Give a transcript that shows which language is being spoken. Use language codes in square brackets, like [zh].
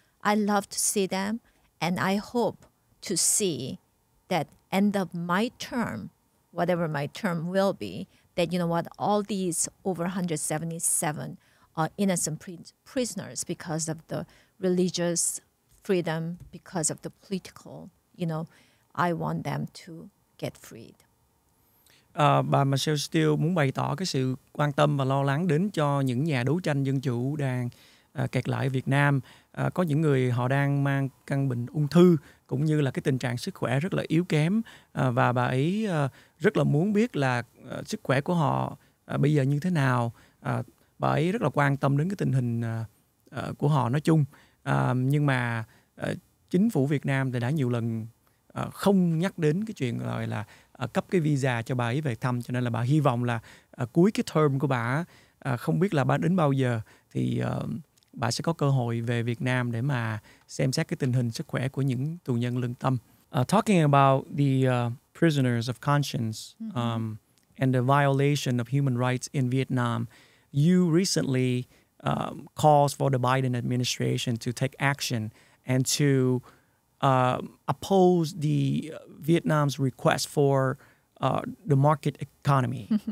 [en] I love to see them, and I hope to see that end of my term, whatever my term will be, that, you know what, all these over 177 innocent prisoners because of the religious freedom because of the political, you know, I want them to get freed. [vi] Bà Michelle Steele muốn bày tỏ cái sự quan tâm và lo lắng đến cho những nhà đấu tranh dân chủ đang kẹt lại Việt Nam. Có những người họ đang mang căn bệnh ung thư cũng như là cái tình trạng sức khỏe rất là yếu kém. Và bà ấy rất là muốn biết là sức khỏe của họ bây giờ như thế nào. Bà ấy rất là quan tâm đến cái tình hình của họ nói chung. Nhưng mà chính phủ Việt Nam thì đã nhiều lần không nhắc đến cái chuyện gọi là cấp cái visa cho bà ấy về thăm. Cho nên là bà hy vọng là cuối cái term của bà, không biết là bà đến bao giờ, thì bà sẽ có cơ hội về Việt Nam để mà xem xét cái tình hình sức khỏe của những tù nhân lương tâm. [en] Talking about the prisoners of conscience and the violation of human rights in Vietnam, you recently calls for the Biden administration to take action and to oppose the Vietnam's request for the market economy.